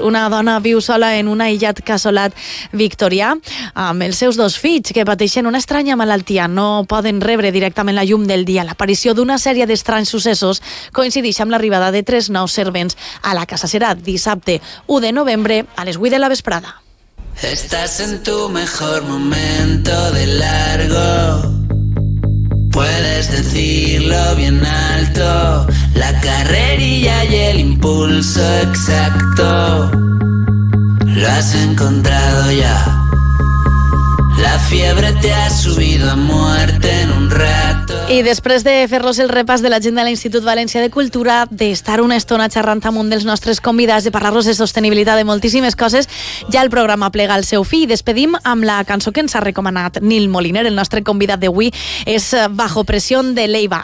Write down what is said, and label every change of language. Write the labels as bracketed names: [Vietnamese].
[Catalan] Una dona viu sola en un aïllat casolat Victoria, amb els seus dos fills que pateixen una estranya malaltia, no poden rebre directament la llum del dia. L'aparició d'una sèrie d'estranys successos coincideix amb l'arribada de tres nous servents a la casa. Serà dissabte 1 de novembre a les 8 de la vesprada. [Spanish] Estás en tu mejor momento de largo. Puedes decirlo bien alto. La carrerilla y el impulso exacto. Lo has encontrado ya. La fiebre te ha subido a muerte en un rato. [Catalan] I després de fer-los el repàs de l'agenda de l'Institut València de Cultura, d'estar una estona xerrant amb un dels nostres convidats, de parlar-los de sostenibilitat, de moltíssimes coses, ja el programa plega al seu fi. I despedim amb la cançó que ens ha recomanat Nil Moliner, el nostre convidat d'avui, és Bajo Presión, de Leiva.